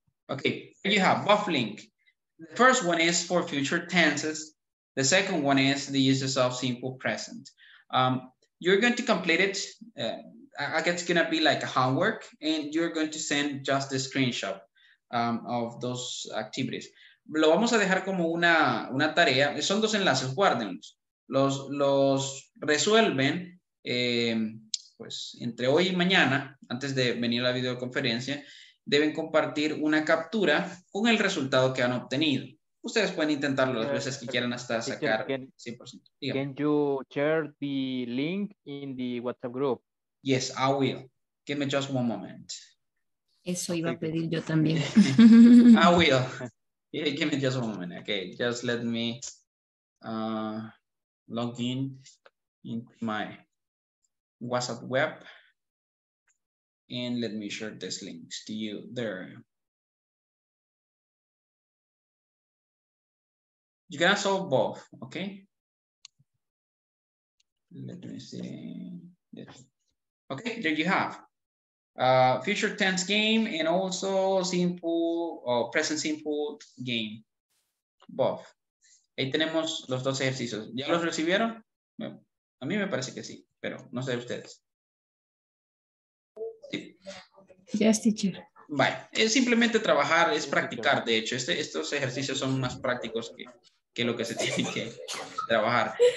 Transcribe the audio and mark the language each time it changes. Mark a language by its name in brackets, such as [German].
[English] Okay, here you have both link. The first one is for future tenses. The second one is the uses of simple present. You're going to complete it. I guess it's gonna be like a homework and you're going to send just a screenshot of those activities. [Spanish] Lo vamos a dejar como una tarea. Son dos enlaces, guárdenlos. Los resuelven pues entre hoy y mañana, antes de venir a la videoconferencia. Deben compartir una captura con el resultado que han obtenido. Ustedes pueden intentarlo las veces que quieran hasta sacar 100%. Digamos. [English] Can you share the link in the WhatsApp group? Yes, I will. Give me just one moment. [Spanish] Eso iba a pedir yo también. [English] I will. Yeah, give me just one moment. Okay, just let me log in my WhatsApp web. And let me share this link to you there. You're gonna solve both, okay? Let me see. Okay, there you have. Future tense game and also simple present simple game. Both. [Spanish] Ahí tenemos los dos ejercicios. ¿Ya los recibieron? A mí me parece que sí, pero no sé de ustedes. [English] Sí. Yes, teacher. [Spanish] Vale, es simplemente trabajar, es practicar. De hecho, estos ejercicios son más prácticos que lo que se tiene que trabajar.